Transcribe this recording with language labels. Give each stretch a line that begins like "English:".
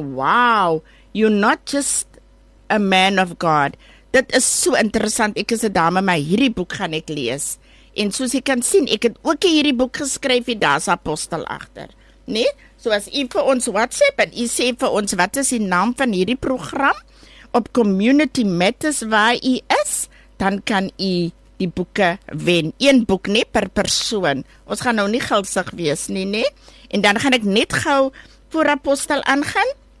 English: Wow, you're not just a man of God.
Afrikaans: Dit is so interessant, ek is 'n dame, maar hierdie boek gaan ek lees. En soos jy kan sien, ek het ook hierdie boek geskryf, hier daar's apostel agter. Nee, so as jy vir ons WhatsApp en jy sê vir ons, wat is die naam van hierdie program? Op Community Matters waar jy is, dan kan jy die boeke wen. Een boek nie per persoon. Ons gaan nou nie gulsig wees nie, nee. En dan gaan ek net gou voor apostel aangaan.